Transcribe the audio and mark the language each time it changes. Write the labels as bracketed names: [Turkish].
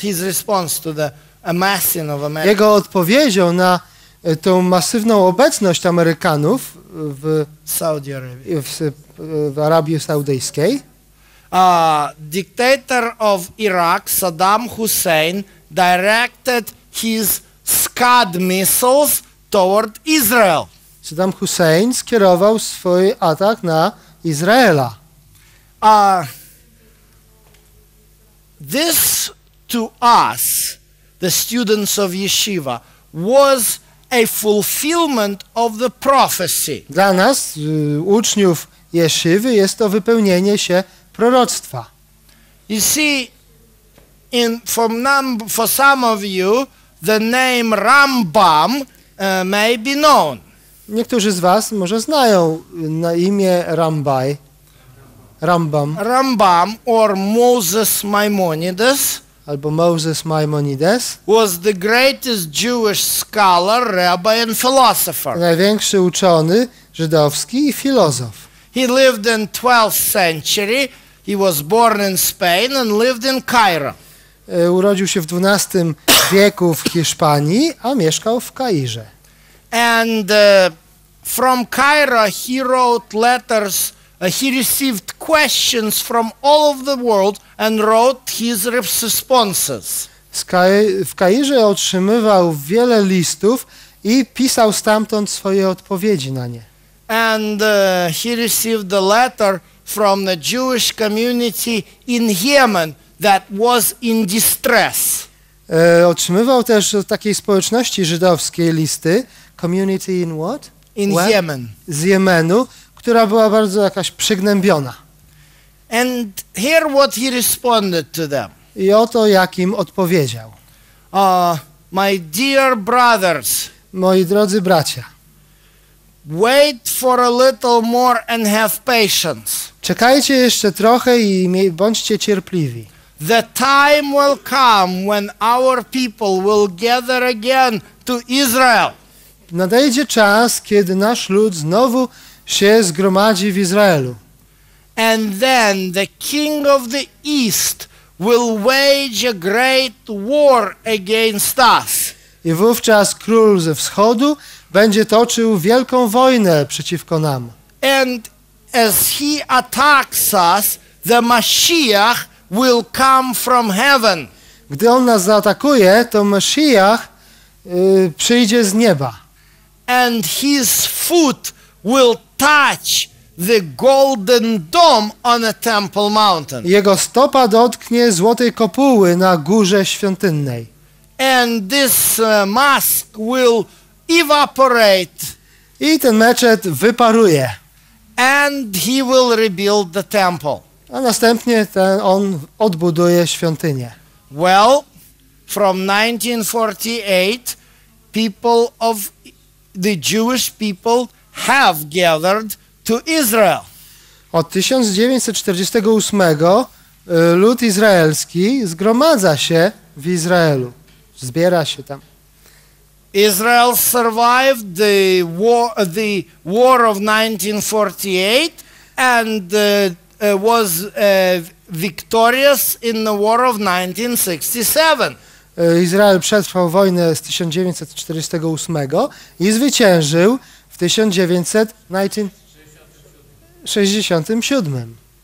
[English] His response to the amassing of America. [Polish] Jego odpowiedzią na tą masywną obecność Amerykanów w [English] Saudi Arabia. [Polish] W Arabii Saudyjskiej. [English] Dictator of Iraq Saddam Hussein directed his Scud missiles toward Israel. [Polish] Saddam Hussein skierował swój atak na Izraela. [English] This to us, the students of Yeshiva, was a fulfillment of the prophecy. [Polish] Dla nas, uczniów Yeshivy, jest to wypełnienie się proroctwa. [English] You see, for some of you, the name Rambam may be known. [Polish] Niektórzy z was może znają na imię Rambaj. [English] Rambam. Rambam or Moses Maimonides. [Polish] Albo Moses Maimonides. [English] Was the greatest Jewish scholar, rabbi and philosopher. [Polish] Największy uczony żydowski i filozof. [English] He lived in 12th century. He was born in Spain and lived in Cairo. [Polish] Urodził się w XII wieku w Hiszpanii, a mieszkał w Kairze. [English] And from Cairo he wrote letters. He received questions from all of the world and wrote his responses. [Polish] W Kairze otrzymywał wiele listów i pisał stamtąd swoje odpowiedzi na nie. [English] And he received a letter from the Jewish community in Yemen that was in distress. [Polish] Otrzymywał też od takiej społeczności żydowskiej listy. [English] Community in what? In what? Yemen. [Polish] Z Jemenu, która była bardzo jakaś przygnębiona. [English] And hear what he responded to them. [Polish] I oto jak im odpowiedział. [English] My dear brothers. [Polish] Moi drodzy bracia. [English] Wait for a little more and have patience. [Polish] Czekajcie jeszcze trochę i bądźcie cierpliwi. [English] The time will come when our people will gather again to Israel. [Polish] Nadejdzie czas, kiedy nasz lud znowu się zgromadzi w Izraelu. [English] And then the king of the east will wage a great war against us. [Polish] I wówczas król ze wschodu będzie toczył wielką wojnę przeciwko nam. [English] And as he attacks us, the Mashiach will come from heaven. [Polish] Gdy on nas zaatakuje, to Mashiach przyjdzie z nieba. [English] And his foot will touch the golden dome on a temple mountain. [Polish] Jego stopa dotknie złotej kopuły na górze świątynnej. [English] And this mask will evaporate. [Polish] I ten meczet wyparuje. [English] And he will rebuild the temple. [Polish] A następnie on odbuduje świątynię. [English] Well, from 1948 people of the Jewish people have gathered to Israel. [Polish] Od 1948 lud izraelski zgromadza się w Izraelu. Zbiera się tam. [English] Israel survived the war of 1948 and was victorious in the war of 1967. [Polish] Izrael przetrwał wojnę z 1948 i zwyciężył w 1967.